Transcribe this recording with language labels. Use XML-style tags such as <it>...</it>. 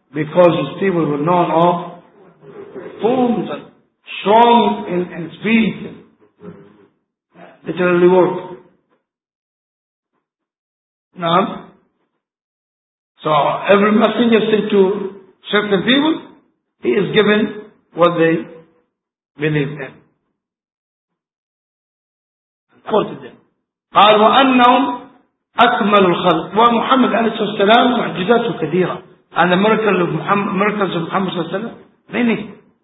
<en>Because his people were known of fools and strong in speech, literally work. Now, so every messenger sent to certain people, he is given what they believe in. Quoted them.</en> <ar>قال وأنهم أكمل الخلق ومحمد عليه الصلاة والسلام معجزاته كثيرة.</ar> <en>And the miracles of Muhammad صلى الله عليه وسلم many.</en>